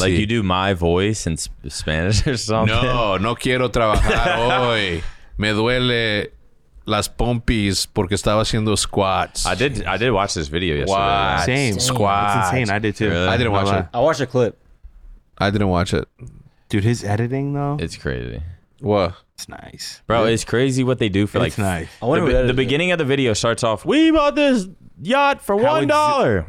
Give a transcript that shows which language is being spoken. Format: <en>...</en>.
<en>Like, you do my voice in Spanish or something.</en> <es>No quiero trabajar hoy. Me duele las pompis porque estaba haciendo squats.</es> <en>I did watch this video yesterday. Wow. Same. Squats. It's insane. I did too. Really? I didn't watch it. I watched a clip. I didn't watch it. Dude, his editing though? It's crazy. Whoa. It's nice. Bro, it's crazy what they do for it's like... It's nice. The beginning of the video starts off, we bought this yacht for $1.</en>